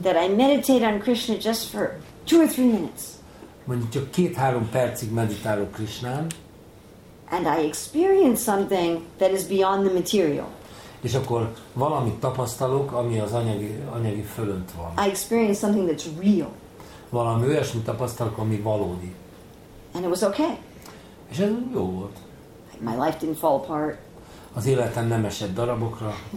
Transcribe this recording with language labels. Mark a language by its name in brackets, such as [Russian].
[English] That I meditate on Krishna just for 2 or 3 minutes. [Hungarian] Mondjuk csak 2-3 percig meditálok Krishnán. [English] And I experience something that is beyond the material. [Hungarian] És akkor valamit tapasztalok, ami az anyagi fölött van. [English] I experience something that's real. [Hungarian] Valami olyasmit tapasztalok, ami valódi. [English] And it was okay. [Hungarian] És ez jó volt. [English] My life didn't fall apart. [Hungarian] Az életem nem esett darabokra.